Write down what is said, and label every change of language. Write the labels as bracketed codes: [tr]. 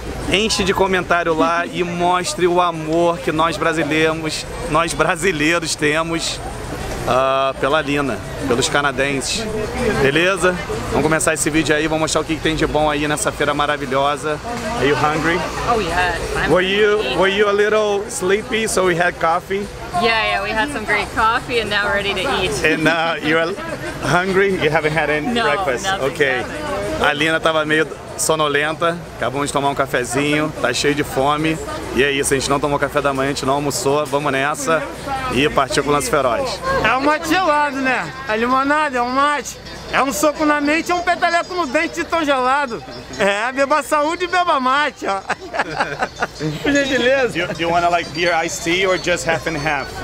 [pt] Enche de comentário lá e mostre o amor que nós brasileiros temos pela Alina, pelos canadenses. Beleza? Vamos começar esse vídeo aí, vamos mostrar o que tem de bom aí nessa feira maravilhosa. [en] Are you hungry? Oh yes. Were you a little sleepy, so we had coffee? Yeah, we had some great coffee and now ready to eat. And you're hungry? You haven't had any breakfast? No, okay. [pt] A Alina tava meio sonolenta, acabamos de tomar um cafezinho, tá cheio de fome. E é isso, a gente não tomou café da manhã, a gente não almoçou, vamos nessa e partiu com o Lance Feroz. É um mate gelado, né? A limonada é um mate. É um soco na mente, é um peteleco no dente de tão gelado. É, beba saúde e beba mate, ó. Por gentileza. [en] Do you want like beer iced tea or just half and half?